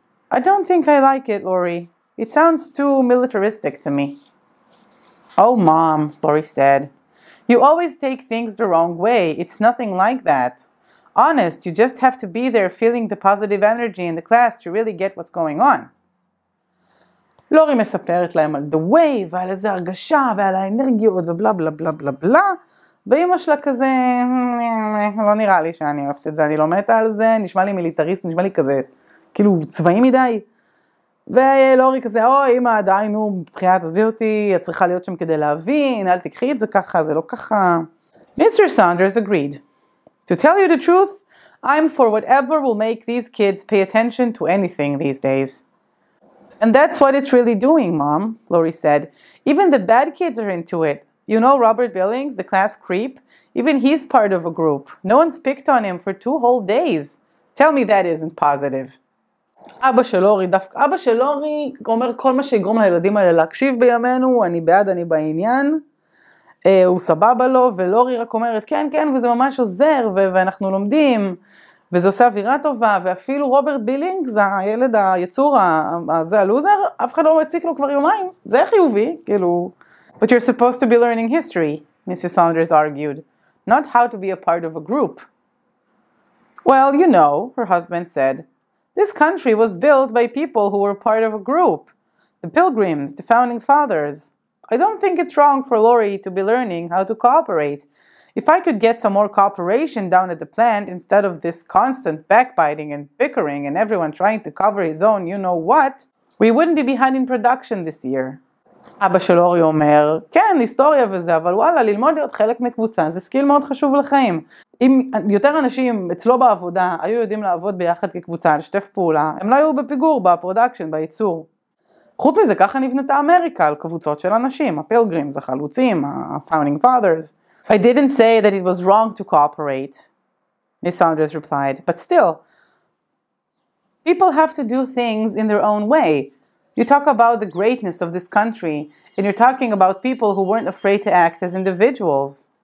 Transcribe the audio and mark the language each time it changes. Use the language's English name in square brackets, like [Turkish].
[English] I don't think I like it, Lori. It sounds too militaristic to me. Oh, Mom, Lori said. You always take things the wrong way. It's nothing like that. Honest, you just have to be there feeling the positive energy in the class to really get what's going on. [Hebrew] Lori מספרת להם על [English] the way [Hebrew] ועל איזה הרגשה ועל האנרגיות ובלה בלה בלה בלה בלה. ואמא שלה כזה, לא נראה לי שאני אוהבת את זה, אני לא מתה על זה. נשמע לי מיליטריסט, נשמע לי כזה, כאילו צבאי מדי. ולורי כזה, אוי, אמא, עדיין הוא בחייה, תסביר אותי, את צריכה להיות שם כדי להבין, אל תקחי את זה ככה, זה לא ככה. [English] Mr. Saunders agreed. To tell you the truth, I'm for whatever will make these kids pay attention to anything these days. And that's what it's really doing, Mom, Lori said. Even the bad kids are into it. You know Robert Billings, the class creep? Even he's part of a group. No one's picked on him for 2 whole days. Tell me that isn't positive. [Hebrew] אבא של לורי, דווקא אבא של לורי אומר כל מה שיגרום לילדים האלה להקשיב בימינו, אני בעד, אני בעניין, הוא סבבה לו, ולורי רק אומרת כן כן וזה ממש עוזר ואנחנו לומדים וזה עושה אווירה טובה, ואפילו רוברט בילינג זה הילד היצור הזה הלוזר, אף אחד לא מציק לו כבר יומיים, זה חיובי, כאילו. [English] But you're supposed to be learning history, Mrs. Saunders argued, not how to be a part of a group. Well, you know, her husband said, This country was built by people who were part of a group, the pilgrims, the founding fathers. I don't think it's wrong for Lori to be learning how to cooperate. If I could get some more cooperation down at the plant instead of this constant backbiting and bickering and everyone trying to cover his own you know what, we wouldn't be behind in production this year. [Hebrew] אבא של אורי אומר, כן, היסטוריה וזה, אבל וואלה, ללמוד להיות חלק מקבוצה, זה סקיל מאוד חשוב לחיים. אם יותר אנשים אצלו בעבודה היו יודעים לעבוד ביחד כקבוצה, לשתף פעולה, הם לא היו בפיגור, בפרודקשן, בייצור. חוץ מזה, ככה נבנתה אמריקה על קבוצות של אנשים, הפילגרימס, החלוצים, ה- [English] founding fathers. I didn't say that it was wrong to cooperate, Miss Saunders replied, but still, people have to do things in their own way. You talk about the greatness of this country, and you're talking about people who weren't afraid to act as individuals.